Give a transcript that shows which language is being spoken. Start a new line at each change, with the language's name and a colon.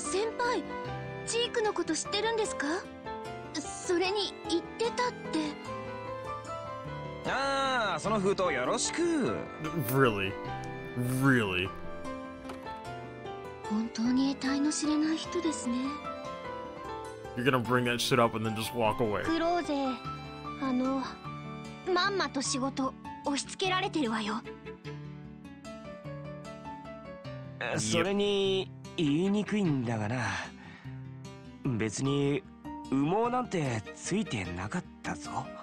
Japanese: 先輩、ジークのこと知ってるんですか？それに言ってたって。ああ、その封筒よろしく。
English: Really? Really?
Japanese: 本当に得体の知れない人ですね。
English: You're gonna bring that shit up and then just walk away.
Japanese: クローゼ、あの、まんまと仕事押し付けられてるわよ。それに言いにくいんだがな、別に羽毛なんてついてなかったぞ。